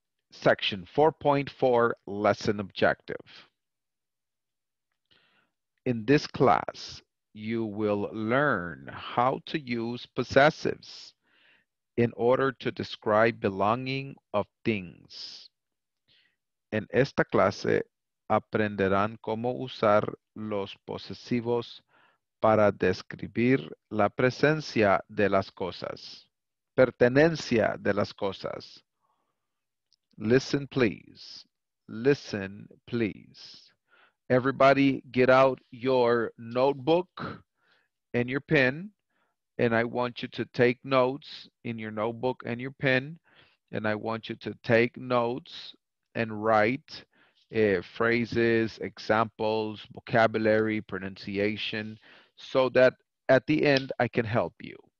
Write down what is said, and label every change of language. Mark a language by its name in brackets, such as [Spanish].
[English] Section 4.4, lesson objective. In this class, you will learn how to use possessives in order to describe belonging of things. [Spanish] En esta clase, aprenderán cómo usar los posesivos para describir la presencia de las cosas, pertenencia de las cosas. [English] Listen, please. Listen, please. Everybody, get out your notebook and your pen, and I want you to take notes in your notebook and your pen, and I want you to take notes and write phrases, examples, vocabulary, pronunciation, so that at the end I can help you.